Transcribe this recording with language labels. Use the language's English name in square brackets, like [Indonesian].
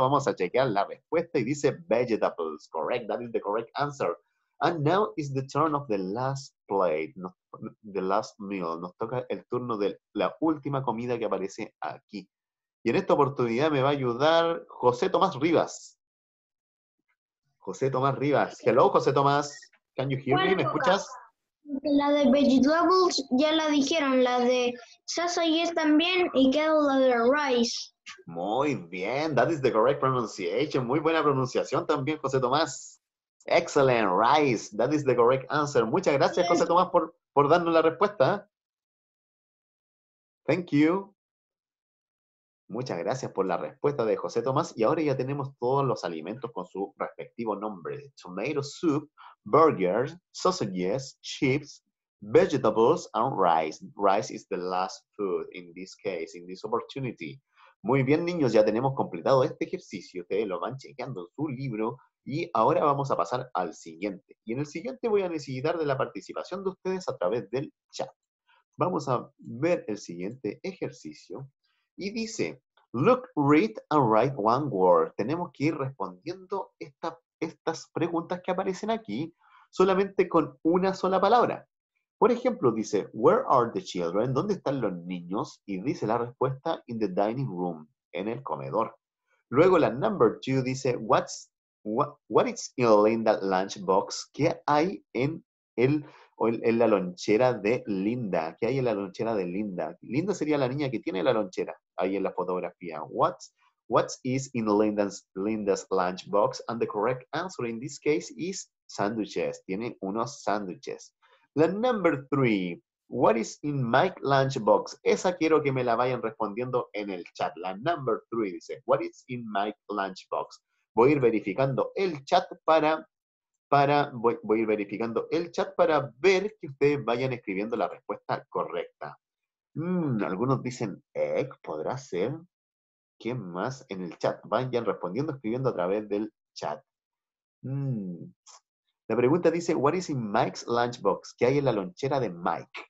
[Spanish] Vamos a chequear la respuesta y dice vegetables. [English] Correct. That is the correct answer. And now is the turn of the last plate, the last meal. [Spanish] Nos toca el turno de la última comida que aparece aquí. Y en esta oportunidad me va a ayudar José Tomás Rivas. [English] José Tomás Rivas. Hello, José Tomás. Can you hear me? [Spanish] ¿Me escuchas? La de vegetables ya la dijeron. La de sausages también. Y quedó la de rice. Muy bien. [English] That is the correct pronunciation. [Spanish] Muy buena pronunciación también, José Tomás. [English] Excellent, rice. That is the correct answer. [Spanish] Muchas gracias, José Tomás, por darnos la respuesta. [English] Thank you. [Spanish] Muchas gracias por la respuesta de José Tomás. Y ahora ya tenemos todos los alimentos con su respectivo nombre. [English] Tomato soup, burgers, sausages, chips, vegetables, and rice. Rice is the last food in this case, in this opportunity. [Spanish] Muy bien, niños, ya tenemos completado este ejercicio. Ustedes lo van chequeando en su libro. Y ahora vamos a pasar al siguiente. Y en el siguiente voy a necesitar de la participación de ustedes a través del chat. Vamos a ver el siguiente ejercicio. Y dice, [English] look, read, and write one word. [Spanish] Tenemos que ir respondiendo estas preguntas que aparecen aquí solamente con una sola palabra. Por ejemplo, dice, [English] where are the children? [Spanish] ¿Dónde están los niños? Y dice la respuesta, [English] in the dining room, [Spanish] en el comedor. Luego la [English] number two dice, What is in that lunchbox? [Spanish] ¿Qué hay en la lonchera de Linda? ¿Qué hay en la lonchera de Linda? Linda sería la niña que tiene la lonchera ahí en la fotografía. [English] What is in Linda's lunchbox? And the correct answer in this case is sandwiches. [Spanish] Tiene unos sandwiches. La [English] number three. What is in Mike's lunchbox? [Spanish] Esa quiero que me la vayan respondiendo en el chat. [English] La number three dice, what is in Mike's lunchbox? [Spanish] Voy a ir verificando el chat para ver que ustedes vayan escribiendo la respuesta correcta. Algunos dicen egg, ¿podrá ser? ¿Quién más en el chat? Vayan respondiendo, escribiendo a través del chat. La pregunta dice, [English] what is in Mike's lunchbox? [Spanish] ¿Qué hay en la lonchera de Mike?